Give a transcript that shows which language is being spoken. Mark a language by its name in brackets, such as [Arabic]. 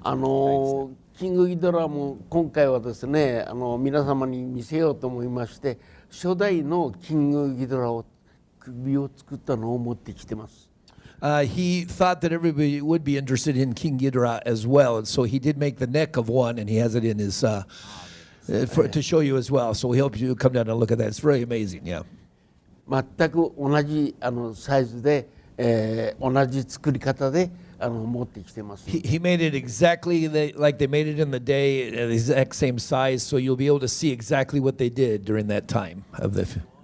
[Japanese] King Ghidorahも今回はですね、皆様に見せようと思いまして、初代のKing Ghidorahを首を作ったのを持ってきてます。 [English] He thought that everybody would be interested in King Ghidorah as well, and so he did make the neck of one, and he has it in his to show you as well. So we hope you come down and look at that. It's very amazing. Yeah. [Japanese] 全く同じサイズで、同じ作り方で持ってきてます。 [English] He made it exactly like they made it in the day, the exact same size. So you'll be able to see exactly what they did during that time of the.